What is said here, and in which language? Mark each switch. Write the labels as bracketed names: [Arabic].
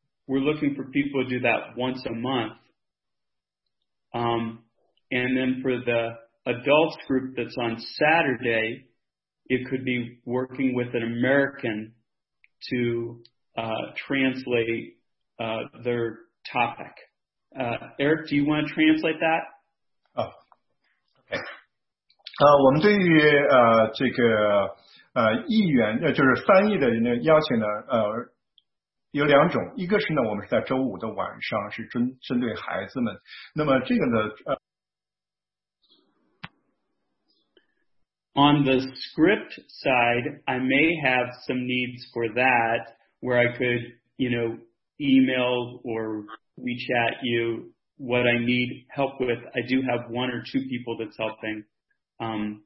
[English] We're looking for people to do that once a month. And then for the adults group that's on Saturday, it could be working with an American to translate their topic. Eric, do you want to translate that? Oh, okay. [Chinese] 我们对于这个译员就是翻译的人的邀请呢有两种，一个是呢我们是在周五的晚上是针对孩子们，那么这个呢 [English] On the script side, I may have some needs for that where I could, you know, email or WeChat you what I need help with. I do have 1 or 2 people that's helping.